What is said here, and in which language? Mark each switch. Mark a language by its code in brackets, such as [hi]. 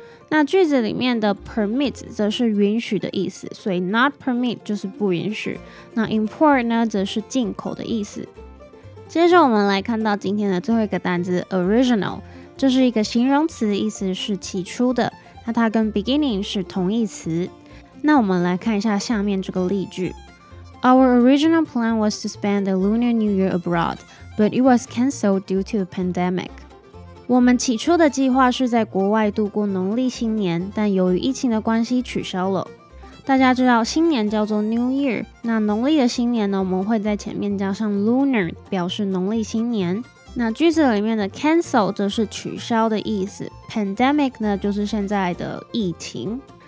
[zh] 那句子里面的 permit 则是允许的意思，所以 not permit 就是不允许。那 import 呢，则是进口的意思。接着我们来看到今天的最后一个单字 original， 这是一个形容词，意思是起初的。那它跟 beginning 是同义词。那我们来看一下下面这个例句。 [en] Our original plan was to spend the Lunar New Year abroad, but it was cancelled due to the pandemic. [zh] 我们起初的计划是在国外度过农历新年，但由于疫情的关系取消了。大家知道新年叫做 New Year， 那农历的新年呢，我们会在前面加上 Lunar， 表示农历新年。那句子里面的 cancel 则是取消的意思， pandemic 呢就是现在的疫情。